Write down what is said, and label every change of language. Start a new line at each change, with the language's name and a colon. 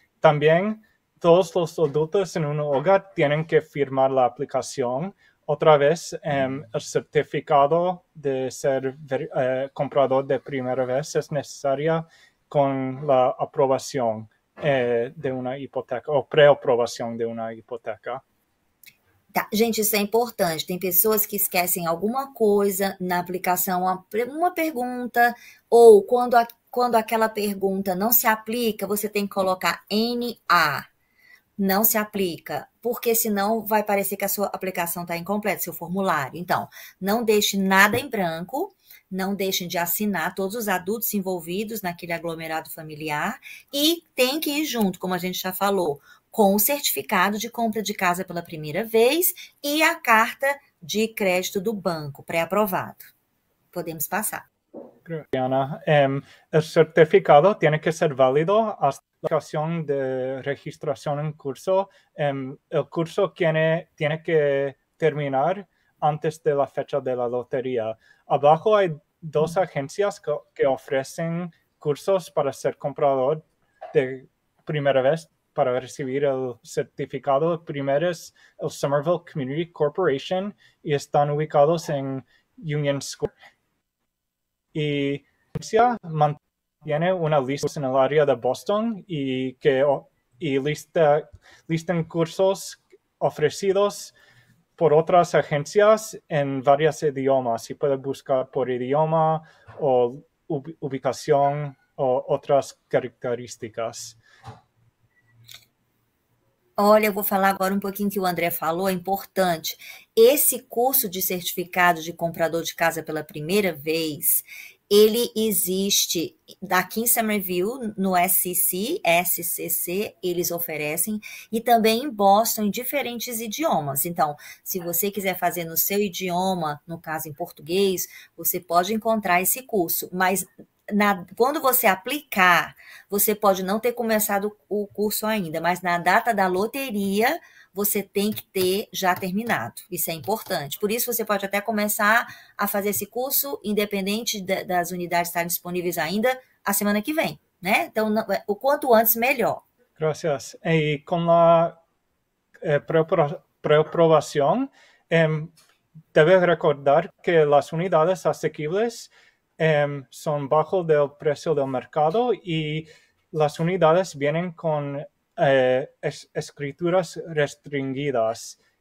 Spanish: También, todos los adultos en un hogar tienen que firmar la aplicación. Otra vez, el certificado de ser comprador de primera vez es necesaria con la aprobación de una hipoteca o preaprobación de una hipoteca.
Portuguese: Tá. Gente, isso é importante. Tem pessoas que esquecem alguma coisa na aplicação, uma pergunta, ou quando aquela pergunta não se aplica, você tem que colocar NA. Não se aplica, porque senão vai parecer que a sua aplicação está incompleta, seu formulário. Então, não deixe nada em branco, não deixem de assinar todos os adultos envolvidos naquele aglomerado familiar e tem que ir junto, como a gente já falou, com o certificado de compra de casa pela primeira vez e a carta de crédito do banco pré-aprovado. Podemos passar.
Spanish: Ana, el certificado tiene que ser válido hasta la aplicación de registración en curso. El curso tiene que terminar antes de la fecha de la lotería. Abajo hay dos agencias que ofrecen cursos para ser comprador de primera vez para recibir el certificado. El primero es el Somerville Community Corporation y están ubicados en Union Square. Y la agencia mantiene una lista en el área de Boston y listan cursos ofrecidos por otras agencias en varios idiomas. Y puede buscar por idioma o ubicación o otras características.
Portuguese: Olha, eu vou falar agora um pouquinho que o André falou, é importante. Esse curso de certificado de comprador de casa pela primeira vez, ele existe aqui em Somerville, no SCC, eles oferecem, e também em Boston, em diferentes idiomas. Então, se você quiser fazer no seu idioma, no caso em português, você pode encontrar esse curso, mas quando você aplicar, você pode não ter começado o curso ainda, mas na data da loteria, você tem que ter já terminado. Isso é importante. Por isso, você pode até começar a fazer esse curso, independente das unidades estarem disponíveis ainda, a semana que vem, né? Então, o quanto antes, melhor.
Spanish: Gracias. Y con la preaprobación, debes recordar que las unidades asequibles son bajo del precio del mercado y las unidades vienen con escrituras restringidas.